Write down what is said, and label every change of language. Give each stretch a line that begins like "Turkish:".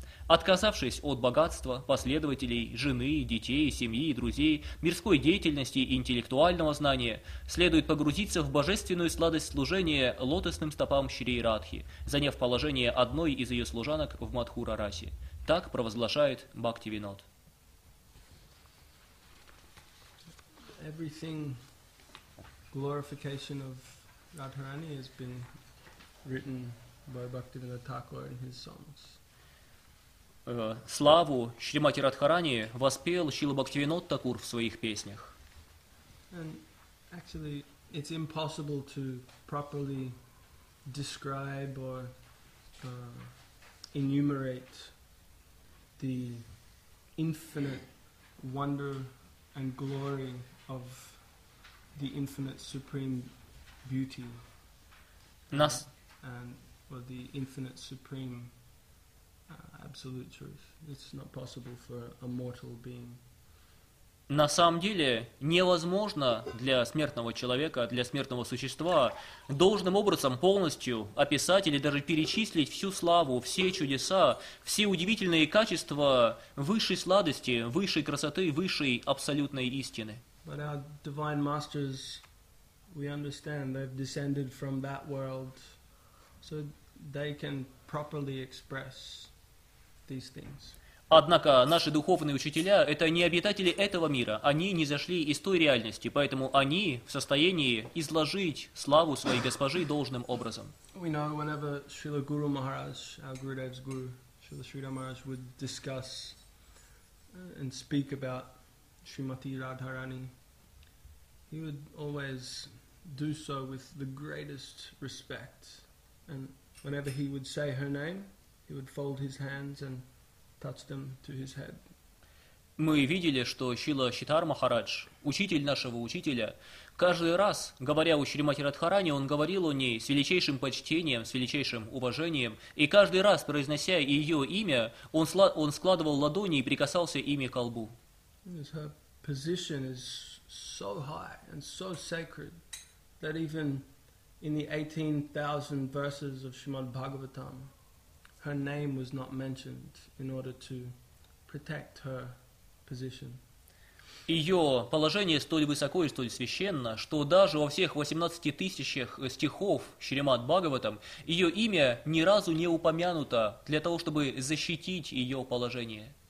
Russian: Отказавшись от богатства, последователей, жены, детей, семьи и друзей, мирской деятельности и интеллектуального знания, следует погрузиться в божественную сладость служения лотосным стопам Шри Радхи, заняв положение одной из ее служанок в Мадхура-расе. Так провозглашает Бхактивинод.
English: Everything glorification of Radharani has been written by Bhaktivinoda Thakur in his songs.
Russian: Славу Шримати Радхарани воспел Шрила Бхактивинод Такур в своих песнях.
English: And actually, it's impossible to properly describe or enumerate the infinite wonder and glory of the infinite supreme beauty. The infinite supreme absolute truth. It's not possible for a mortal being.
Russian: На самом деле, невозможно для смертного человека, для смертного существа, должным образом полностью описать или даже перечислить всю славу, все чудеса, все удивительные качества высшей сладости, высшей красоты, высшей абсолютной истины.
English: But our divine masters, we understand, they've descended from that world, so they can properly express.
Russian: Однако наши духовные учителя – это не обитатели этого мира, они не зашли из той реальности, поэтому они в состоянии изложить славу своей госпожи должным образом.
English: We know whenever Srila Guru Maharaj, our Gurudev's Guru, Srila Sridhar Maharaj would discuss and speak about Srimati Radharani, he would always do so with the greatest respect. And whenever he would say her name, he would fold his hands and touch them to his head.
Russian: Мы видели, что Шрила Шридхар Махарадж, учитель нашего учителя, каждый раз, говоря о Шримати Радхарани, он говорил о ней с величайшим почтением, с величайшим уважением, и каждый раз, произнося ее имя, он складывал ладони и прикасался ими к лбу.
English: Her position is so high and so sacred that even in the 18,000 verses of Srimad Bhagavatam, her name was not mentioned in order to protect her position.
Russian: Ее положение столь высоко и столь священно, что даже во всех 18 тысячах стихов Шримад Бхагаватам ее имя ни разу не упомянуто для того, чтобы защитить ее положение.